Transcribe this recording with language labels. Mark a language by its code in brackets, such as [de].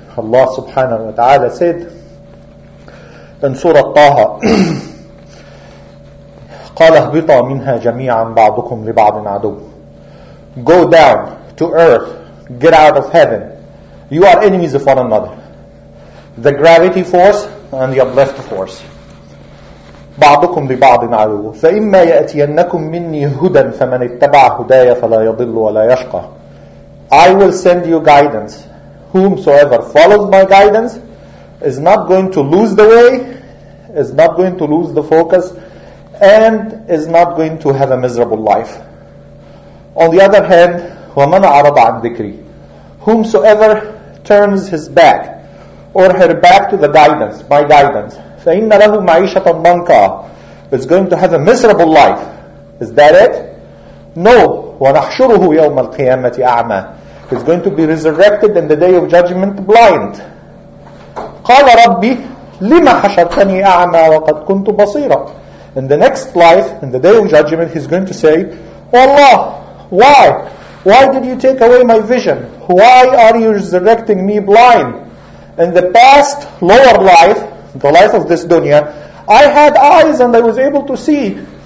[en] Allah subhanahu wa ta'ala said in Surah Taha, [ar] قَالَ اهْبِطَ مِنْهَا جَمِيعًا بَعْضُكُمْ لِبَعْضٍ عَدُوٍ. [en] Go down to earth, get out of heaven. You are enemies of one another. The gravity force and the uplift force. [ar] بعضكم لبعض عدو. فإما يأتينكم مني هدى فمن اتبع هداي فلا يضل ولا يشقى. [en] I will send you guidance. Whomsoever follows my guidance is not going to lose the way, is not going to lose the focus, and is not going to have a miserable life. On the other hand, [ar] ومن أعرض عن ذكري. [en] Whomsoever turns his back or her back to the guidance, my guidance. [ar] فَإِنَّ لَهُ مَعِيشَةً ضَنْكَى. [en] It's going to have a miserable life. Is that it? No. [ar] وَنَحْشُرُهُ يَوْمَ الْقِيَامَةِ أَعْمَى. [en] It's going to be resurrected in the day of judgment blind. [ar] قَالَ رَبِّ لِمَ حَشَرْتَنِي أَعْمَى وَقَدْ كُنْتُ بَصِيرًا. [en] In the next life, in the day of judgment, he's going to say, oh Allah, why? Why did you take away my vision? Why are you resurrecting me blind? In the past, lower life, the life of this dunya, I had eyes and I was able to see.